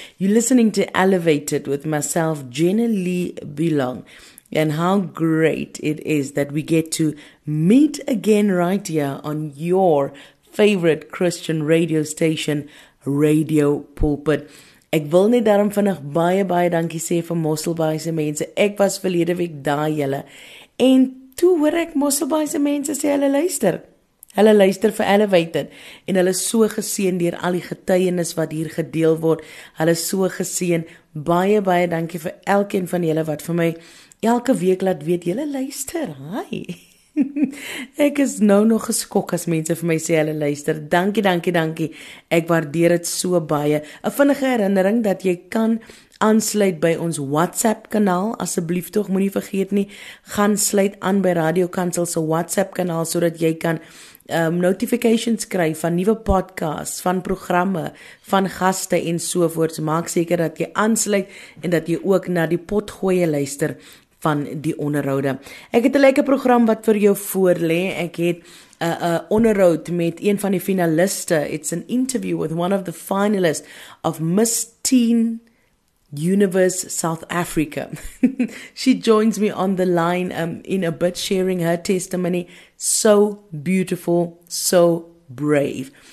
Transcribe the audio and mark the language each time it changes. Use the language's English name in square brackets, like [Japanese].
[English] You're listening to Elevated with myself, Jenna Lee Bilong. And how great it is that we get to meet again right here on your favorite Christian radio station, Radio Pulpit. [Afrikaans] Ek wil net daarom vinnig baie dankie sê vir Mosselbaaise mense. Ek was verlede week daar julle. En toe hoor ek Mosselbaaise mense sê hulle luister. Hulle luister vir Elevated en hulle so geseen deur al die getuienis wat hier gedeel word. Hulle so geseen. Baie dankie vir elkeen van julle wat vir my elke week laat weet julle luister. Hi. Ek is nou nog geskok as mense vir my sê hulle luister. Dankie. Ek waardeer dit so baie. 'N Vinnige herinnering dat jy kan aansluit by ons WhatsApp kanaal, asseblief tog moenie vergeet nie. Gaan sluit aan by Radio Kansel se WhatsApp kanaal sodat jy kan notifications kry van nuwe podcasts, van programme, van gaste en sovoorts. Maak seker dat jy aansluit en dat jy ook na die potgooie luister van die onderhoude. Ek het 'n lekker program wat vir jou voorlê. Ek het 'n onderhoud met een van die finaliste. [English] It's an interview with one of the finalists of Miss Teen Universe South Africa. She joins me on the line in a bit, sharing her testimony. So beautiful, so brave.